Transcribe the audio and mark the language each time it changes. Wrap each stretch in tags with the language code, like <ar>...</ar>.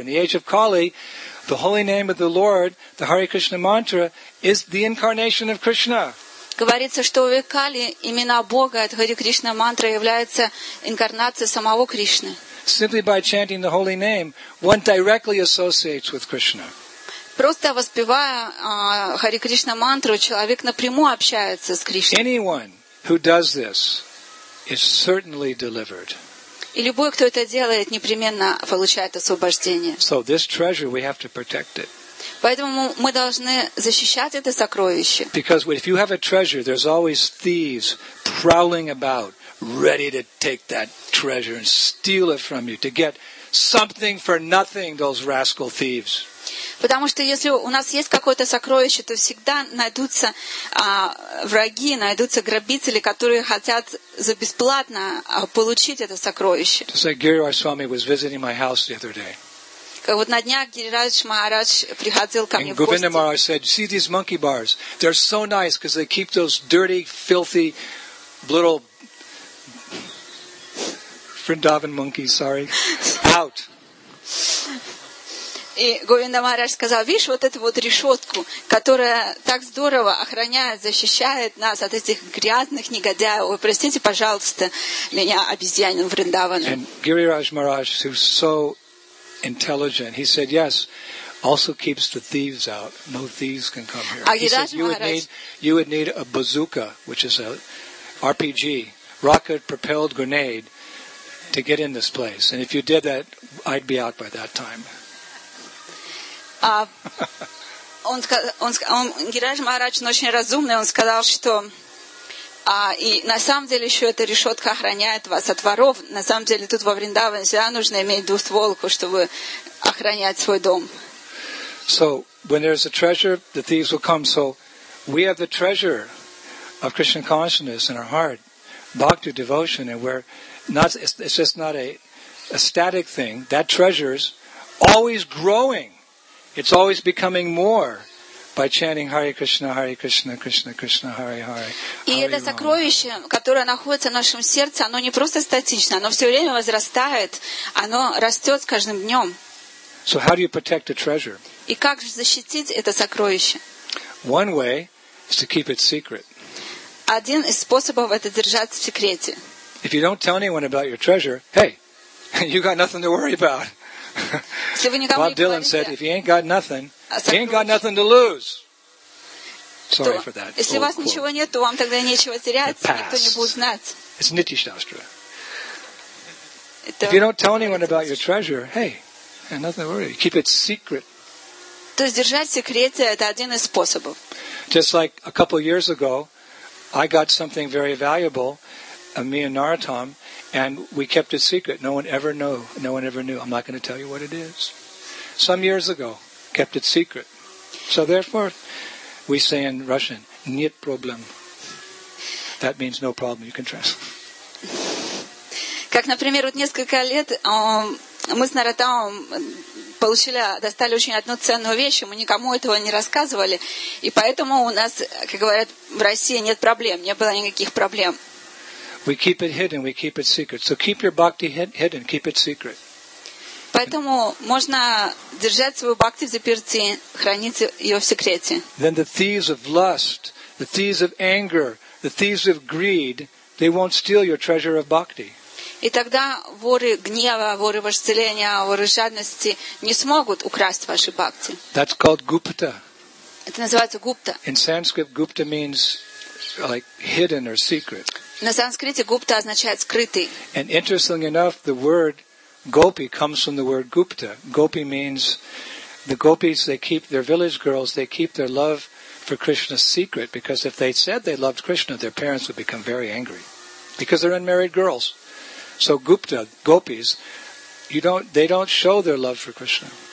<en>In the age of Kali, the holy name of the Lord, the Hare Krishna mantra, is the incarnation of Krishna.</en> <ru>Говорится, что в Кали имена Бога, это Хари Кришна мантра, является инкарнацией самого Кришны.</ru> <en>simply by chanting the holy name, one directly associates with Krishna.</en> <ru>Просто воспевая Хари Кришна мантру, человек напрямую общается с Кришной.</ru> <en>Anyone who does this is certainly delivered.</en> <ru>И любой, кто это делает, непременно получает освобождение.</ru> <en>So this treasure, we have to protect it.</en> <ru>Поэтому мы должны защищать это сокровище.</ru> <en>Because if you have a treasure, there's always thieves prowling about, ready to take that treasure and steal it from you to get something for nothing. Those rascal thieves.</en> <ru>Потому что если у нас есть какое-то сокровище, то всегда найдутся враги, найдутся грабители, которые хотят за бесплатно получить это сокровище.</ru> <en>Just like Giriraj Swami was visiting my house the other day.</en> <ru>Как вот на днях Гирирадж Махарадж приходил ко мне в гости.</ru> <en>And Govinda Maharaj said, "See these monkey bars? They're so nice because they keep those dirty, filthy, little Vrindavan monkeys, sorry, out."</en> <ru>И Говинда Махарадж сказал, видишь вот эту вот решетку, которая так здорово охраняет, защищает нас от этих грязных негодяев. Вы простите, пожалуйста, меня обезьянин Вриндавана.</ru> <en>And Гирирадж Махарадж, who's so intelligent, he said, yes, also keeps the thieves out. No thieves can come here. He said, you would need a bazooka, which is a RPG, rocket-propelled grenade, to get in this place. And if you did that, I'd be out by that time.</en> <ru>Гирирадж Махарадж очень разумный. Он сказал, что и на самом деле еще эта решетка охраняет вас от воров. На самом деле тут во Вриндаване всегда нужно иметь двустволку, чтобы охранять свой дом.</ru> <en>So when there's a treasure, the thieves will come. So we have the treasure of Krishna consciousness in our heart, bhakti devotion, and we're not. It's just not a static thing. That treasure's always growing. It's always becoming more by chanting Hare Krishna, Hare Krishna, Krishna Krishna, Hare Hare.</en> <ru>И это сокровище, которое находится в нашем сердце, оно не просто статично, оно все время возрастает, оно растет с каждым днем.</ru> <en>So how do you protect a treasure?</en> <ru>И как же защитить это сокровище?</ru> <en>One way is to keep it secret.</en> <ru>Один из способов это держать в секрете.</ru> <en>If you don't tell anyone about your treasure, hey, you got nothing to worry about. Bob Dylan said, if you ain't got nothing, you ain't got nothing to lose. Sorry for that.</en> <ru>Если у вас ничего нет, то вам тогда нечего терять, никто не будет знать.</ru> <en>It's Nitya Shastra. If you don't tell anyone about your treasure, hey, nothing to worry. Keep it secret.</en> <ru>То есть держать в секрете это один из способов.</ru> <en>Just like a couple of years ago, I got something very valuable, me and Narottam. And we kept it secret. No one ever knew. I'm not going to tell you what it is. Some years ago, kept it secret. So therefore, we say in Russian,</en> <ru>"Нет проблем."</ru> <en>That means no problem. You can trust.</en> <ru>Как, например, вот несколько лет мы с Наратамом достали очень одну ценную вещь, и мы никому этого не рассказывали, и поэтому у нас, как говорят в России, нет проблем. Не было никаких проблем.</ru> <en>We keep it hidden, we keep it secret. So keep your bhakti hidden, keep it secret.</en> <ru>Поэтому можно держать свою бхакти в заперти, хранить ее в секрете.</ru> <en>Then the thieves of lust, the thieves of anger, the thieves of greed, they won't steal your treasure of bhakti.</en> <ru>И тогда воры гнева, воры вожделения, воры жадности не смогут украсть ваши бхакти.</ru> <en>That's called gupta.</en> <ru>Это называется гупта.</ru> <en>In Sanskrit, gupta means like hidden or secret.</en> <ru>На санскрите гупта означает скрытый.</ru> <en>And interestingly enough, the word gopi comes from the word gupta. Gopi means the gopis, they keep their village girls, they keep their love for Krishna secret, because if they said they loved Krishna, their parents would become very angry. Because they're unmarried girls. So gupta, gopis, they don't show their love for Krishna.</en>